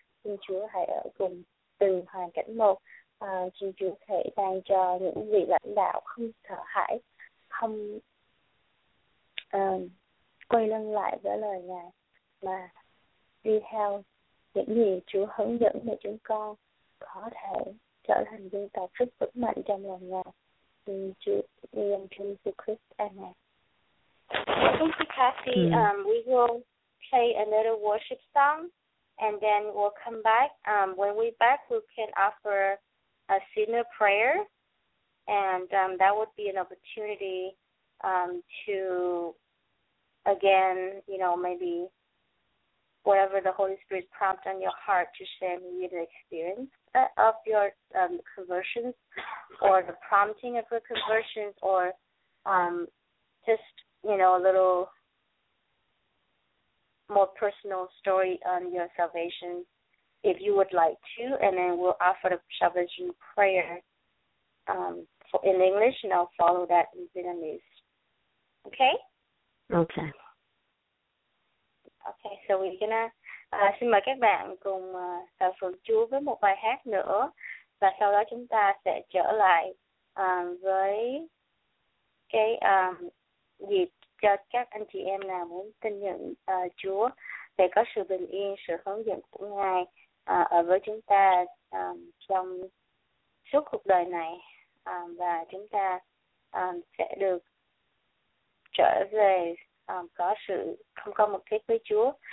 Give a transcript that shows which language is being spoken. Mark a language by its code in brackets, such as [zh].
[vi] Xin Chúa hãy ở cùng từng hoàn cảnh một, xin Chúa thể ban cho những vị lãnh đạo không sợ hãi, không quay lưng lại với lời Ngài, mà đi theo những gì Chúa hướng dẫn để chúng con có thể trở thành dân tộc rất vững mạnh trong lòng Ngài. Xin Chúa yêu thương Jesus Christ. Amen. [en] Thank you, Kathy. We will play a little worship song, and then we'll come back. When we back, we can offer a senior prayer, and that would be an opportunity to, again, you know, maybe whatever the Holy Spirit prompts on your heart to share maybe the experience of your conversions or the prompting of your conversions or just, you know, a little more personal story on your salvation if you would like to. And then we'll offer the salvation prayer in English, and I'll follow that in Vietnamese. Okay? Okay. [vi] Okay, so we're gonna xin mời các bạn cùng thờ phượng Chúa với một bài hát nữa, và sau đó chúng ta sẽ trở lại với cái dịp cho các anh chị em nào muốn tin nhận Chúa để có sự bình yên, sự hướng dẫn của Ngài ở với chúng ta trong suốt cuộc đời này, và chúng ta sẽ được trở về có sự không có mục đích với Chúa.